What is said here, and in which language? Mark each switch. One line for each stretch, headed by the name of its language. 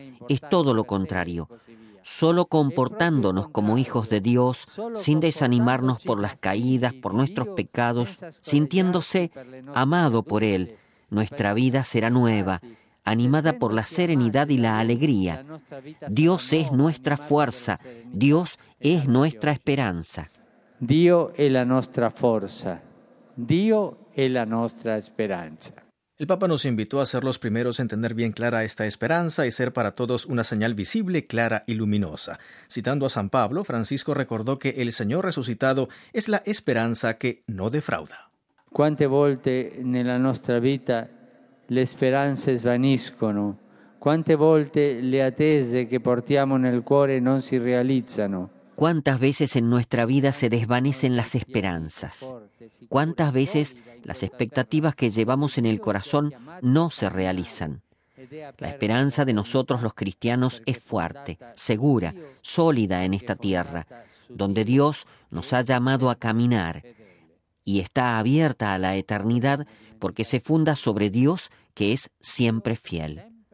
Spanish: Es todo lo contrario. Solo comportándonos como hijos de Dios, sin desanimarnos por las caídas, por nuestros pecados, sintiéndose amado por Él, nuestra vida será nueva, animada por la serenidad y la alegría. Dios es nuestra fuerza, Dios es nuestra esperanza.
Italian: Dio è la nostra forza, Dio è la nostra speranza.
Spanish: El Papa nos invitó a ser los primeros en tener bien clara esta esperanza y ser para todos una señal visible, clara y luminosa. Citando a San Pablo, Francisco recordó que el Señor resucitado es la esperanza que no defrauda.
Italian: Quante volte nella nostra vita le speranze svaniscono, quante volte le attese che portiamo nel cuore non si realizzano.
Spanish: ¿Cuántas veces en nuestra vida se desvanecen las esperanzas? ¿Cuántas veces las expectativas que llevamos en el corazón no se realizan? La esperanza de nosotros los cristianos es fuerte, segura, sólida en esta tierra, donde Dios nos ha llamado a caminar y está abierta a la eternidad porque se funda sobre Dios que es siempre fiel.